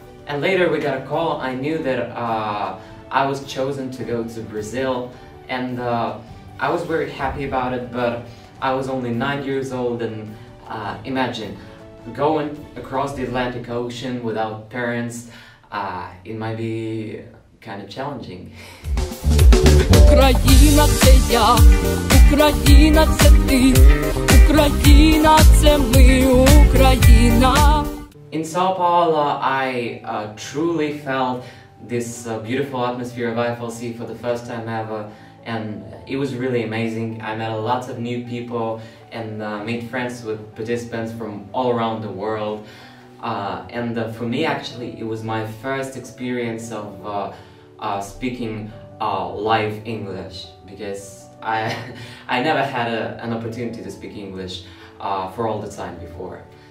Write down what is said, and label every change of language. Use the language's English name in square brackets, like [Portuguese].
[English] And later we got a call. I knew that I was chosen to go to Brazil, and I was very happy about it, but I was only 9 years old, and imagine going across the Atlantic Ocean without parents, it might be kind of challenging. [Ukrainian] Україна – це я, Україна – це ти, Україна – це ми, Україна. [English] In São Paulo, I truly felt this beautiful atmosphere of IFLC for the first time ever, and it was really amazing. I met a lot of new people and made friends with participants from all around the world. And for me, actually, it was my first experience of speaking live English, because I never had an opportunity to speak English for all the time before.